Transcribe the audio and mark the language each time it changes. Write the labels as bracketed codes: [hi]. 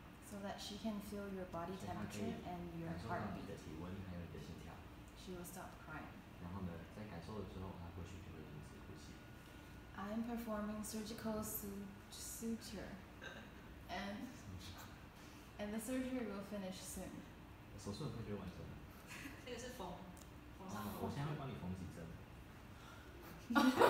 [en] So that she can feel your body temperature and your heartbeat. [zh] 感受到你的体温还有你的心跳。 [en] She will stop crying. [zh] 然后呢，在感受了之后，她或许就会停止呼吸。 [en] I am performing surgical suture, and the surgery will finish soon. [zh] 手术很快就会完成了。这个是缝，缝上。我现在会帮你缝几针。Okay,